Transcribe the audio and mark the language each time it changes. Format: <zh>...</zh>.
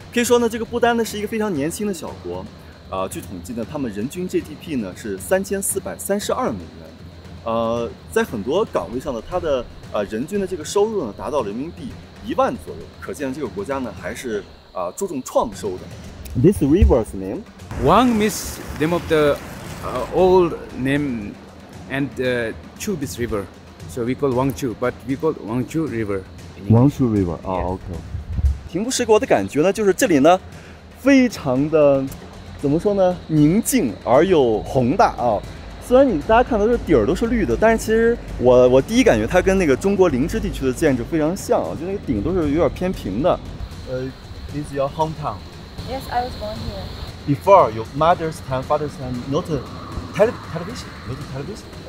<zh>可以说呢，这个不丹呢是一个非常年轻的小国，据统计呢，他们人均 GDP 呢是3432美元，在很多岗位上呢，他的人均的这个收入呢达到人民币10000左右，可见这个国家呢还是注重创收的。</zh> <en>This river's name. Wang is the name of the old name and Chu this river. So we call Wang Chu, but we call Wang Chu River. Wang Chu River, okay.</en> <zh>平瀑市给我的感觉呢，就是这里呢，非常的，怎么说呢，宁静而又宏大啊。虽然大家看到这底儿都是绿的，但是其实我第一感觉它跟那个中国林芝地区的建筑非常像啊，就那个顶都是有点偏平的。</zh> <en>This is your hometown? Yes, I was born here. Before your mother's time, father's time, not a television, not a television.</en>